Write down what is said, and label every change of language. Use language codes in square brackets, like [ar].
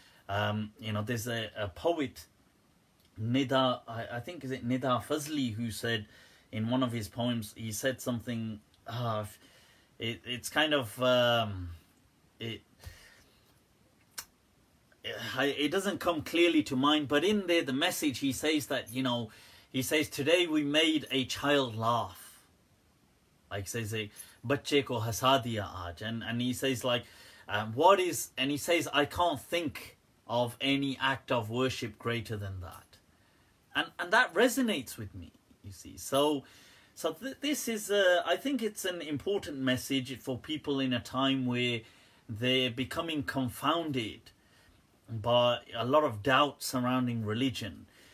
[en] You know, there's a poet, Nida, I think, is it Nida Fazli, who said, in one of his poems, he said something, it doesn't come clearly to mind, but in there, the message, he says that, you know, he says, today we made a child laugh. Like, says, [hi] बच्चे को हँसा दिया आज। [en] And he says, like, what is, and he says, I can't think of any act of worship greater than that. And that resonates with me, you see. So So this is, I think it's an important message for people in a time where they're becoming confounded by a lot of doubt surrounding religion.